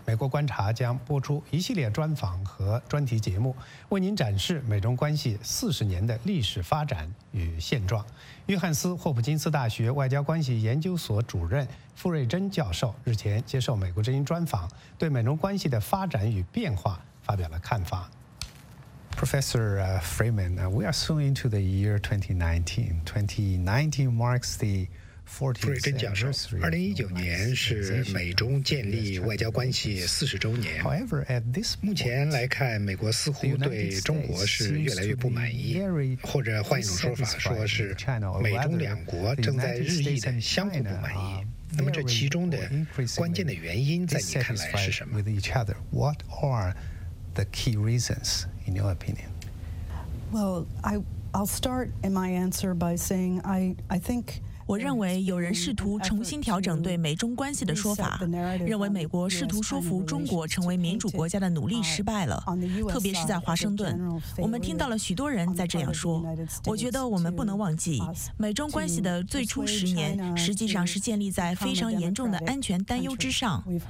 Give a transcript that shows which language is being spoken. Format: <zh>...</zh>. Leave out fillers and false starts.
<zh>美国观察将播出一系列专访和专题节目，为您展示美中关系40年的历史发展与现状。约翰斯·霍普金斯大学外交关系研究所主任傅瑞珍教授日前接受美国之音专访，对美中关系的发展与变化发表了看法。</zh> <en>Professor Freeman, we are soon into the year 2019. 2019 marks the</en> <zh>傅瑞珍讲说，2019年是美中建立外交关系40周年。目前来看，美国似乎对中国是越来越不满意，或者换一种说法，说是美中两国正在日益的相互不满意。那么这其中的关键的原因，在你看来是什么</zh> <en>？What are the key reasons in your opinion？ Well, I'll start in my answer by saying I think。</en> <zh>我认为有人试图重新调整对美中关系的说法，认为美国试图说服中国成为民主国家的努力失败了，特别是在华盛顿，我们听到了许多人在这样说。我觉得我们不能忘记，美中关系的最初10年实际上是建立在非常严重的安全担忧之上。</zh>